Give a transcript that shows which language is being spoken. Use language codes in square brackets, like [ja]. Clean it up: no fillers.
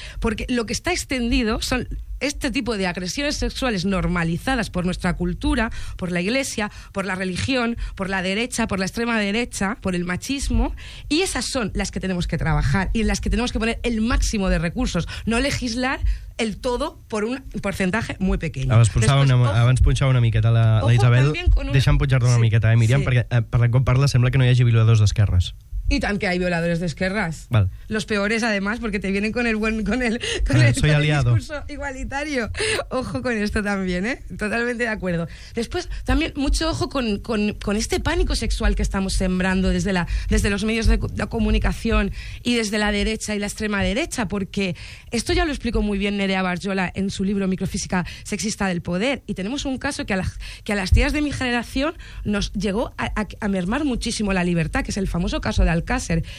[es] Porque lo que está extendido son... Este tipo de agresiones sexuales normalizadas por nuestra cultura, por la iglesia, por la religión, por la derecha, por la extrema derecha, por el machismo, y esas son las que tenemos que trabajar y en las que tenemos que poner el máximo de recursos, no legislar el todo por un porcentaje muy pequeño. [ca] Abans punxava una miqueta la Isabel, deixa'm punxar-te una miqueta, Miriam, sí. Perquè per com parla sembla que no hi hagi violadors d'esquerres. [es] Y tan que hay violadores de esquerras. Vale. Los peores, además, porque te vienen con el buen con el discurso igualitario. Ojo con esto también, ¿eh? Totalmente de acuerdo. Después, también, mucho ojo con este pánico sexual que estamos sembrando desde los medios de comunicación y desde la derecha y la extrema derecha, porque esto ya lo explicó muy bien Nerea Barjola en su libro Microfísica Sexista del Poder, y tenemos un caso que a las tías de mi generación nos llegó a mermar muchísimo la libertad, que es el famoso caso de Alcácer.